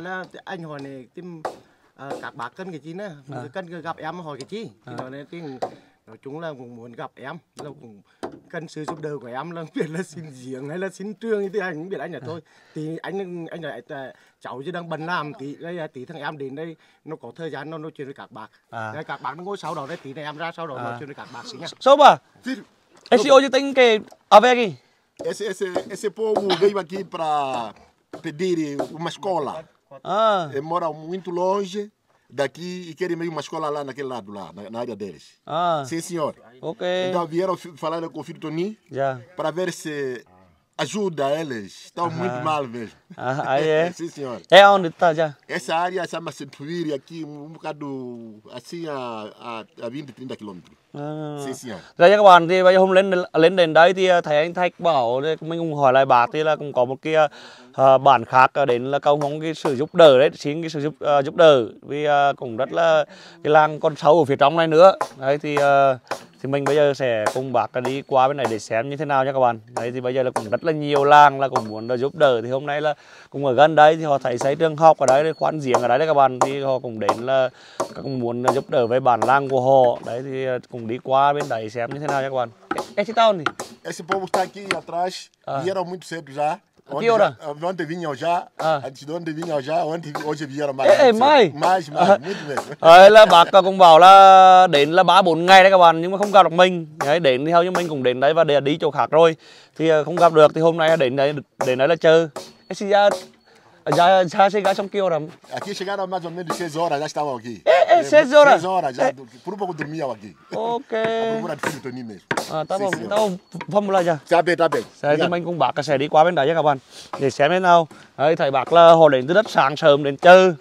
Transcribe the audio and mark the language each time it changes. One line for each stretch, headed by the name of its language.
Vietnamese: Là anh hỏi này tìm các bác cân cái chi nữa, cân gặp em hỏi cái chi, thì nói nên nói chung là cũng muốn gặp em, là cũng cần sự giúp đỡ của em, là biết là xin giếng hay là xin trường thì anh cũng biết anh là thôi. Thì anh nói cháu chỉ đang bận làm, tí thằng em đến đây nó có thời gian nó nói chuyện với các bác. Đây, các bác nó ngồi sau đó đấy, tí này em ra sau đó nói chuyện với các bác xí nha. Sốp à?
Portuguese: Esse hoje tem que haver aqui? Esse povo veio aqui para pedir uma escola. Ah. Ele mora muito longe daqui e querem meio uma escola lá naquele lado, lá na área deles. Ah. Sim, senhor. Ok. Então vieram falar com o filho Tony para ver se ajuda eles. Estão muito mal mesmo. Aí é? Sim, senhor. É onde está já? Essa área chama-se Tuíri, aqui um bocado assim a 20, 30 quilômetros.
Vietnamese: Rồi các bạn, thì bây giờ hôm lên đến đây thì thấy anh Thạch bảo mình cũng hỏi lại bác, thì là cũng có một cái bản khác đến là cầu mong cái sự giúp đỡ đấy, xin cái sự giúp đỡ, vì cũng rất là cái làng con sâu ở phía trong này nữa. Đấy thì mình bây giờ sẽ cùng bác đi qua bên này để xem như thế nào nha các bạn. Đấy thì bây giờ là cũng rất là nhiều làng là cũng muốn giúp đỡ, thì hôm nay là cũng ở gần đây thì họ thấy xây trường học ở đấy, khoan giếng ở đấy đấy các bạn, thì họ cũng đến là cũng muốn giúp đỡ với bản làng của họ. Đấy thì cùng đi qua bên đấy xem như thế nào nha các bạn.
Portuguese: Esse tá onde? Esse povo está aqui atrás, vieram muito cedo já. Que hora? Ontem vinham já, antes de ontem vinham já, hoje vieram mais. Ê, mais, muito mesmo.
Vietnamese: Ấy là bác cũng bảo là đến là 3-4 ngày đấy các bạn, nhưng mà không gặp được mình. Đấy, đến thì theo như mình cũng đến đấy và đi chỗ khác rồi. Thì không gặp được thì hôm nay đến đấy là chờ.
Portuguese: Esse já... Já chegaram que hora? Aqui chegaram mais ou menos 6 horas, já estavam aqui. É, 6 horas? 6 horas, já. Por um pouco dormiam aqui. Ok. A procura de filho Tony mesmo. Ah, tá bom. Então, vamos lá já. Tá bem, tá bem.
Vietnamese: Sẽ thì mình cùng bác sẽ đi qua bên đấy nha các bạn. Để xem thế nào. Đấy, thầy bác là họ đến từ đất sáng sớm đến chơi.